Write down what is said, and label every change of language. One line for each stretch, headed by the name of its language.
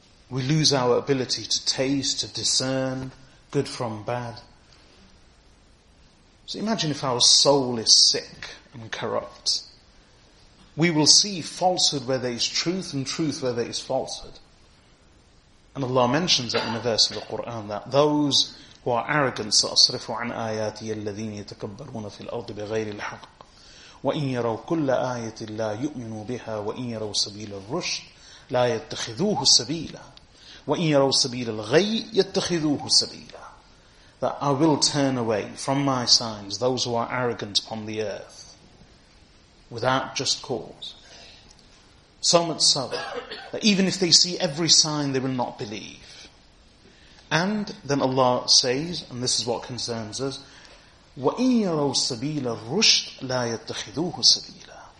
English: We lose our ability to taste, to discern good from bad. So imagine if our soul is sick and corrupt. We will see falsehood where there is truth and truth where there is falsehood. And Allah mentions that in the verse of the Quran, that those who are arrogant,
Arabic: سَأَصْرِفُ عَنْ آيَاتِيَ الَّذِينَ يَتَكَبَّرُونَ فِي الْأَرْضِ بِغَيْرِ الْحَقِّ وَإِنْ يَرَوْا كُلَّ آيَةٍ لَا يُؤْمِنُوا بِهَا وَإِنْ يَرَوْا سَبِيلَ الرُّشْدِ لَا يَتَّخِذُوهُ سَبِيلًا وَإِنْ يَرَوْا سَبِيلَ الْغَيِّ يَتَّخِذُوهُ سَبِيلًا.
English: That I will turn away from my signs those who are arrogant upon the earth without just cause. So much so, that even if they see every sign, they will not believe. And then Allah says, and this is what concerns us,
Arabic: وَإِن يَرَوْا سَبِيلَ الرُّشْدْ لَا يَتَّخِذُوهُ سَبِيلًا.